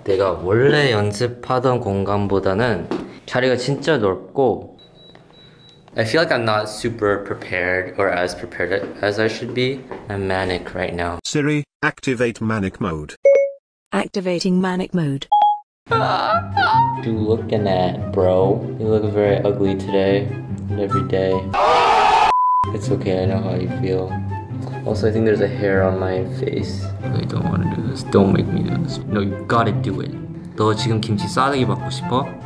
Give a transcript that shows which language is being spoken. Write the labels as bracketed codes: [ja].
[ko] 내가 원래 연습하던 공간보다는 자리가 진짜 넓고. [en] I feel like I'm not super prepared or as prepared as I should be. I'm manic right now. Siri, activate manic mode. Activating manic mode. What you looking at, bro? You look very ugly today and every day. It's okay, I know how you feel. Also, I think there's a hair on my face. I don't want to do this. Don't make me do this. No, you gotta do it. [ko] 너 지금 김치 싸대기 받고 싶어?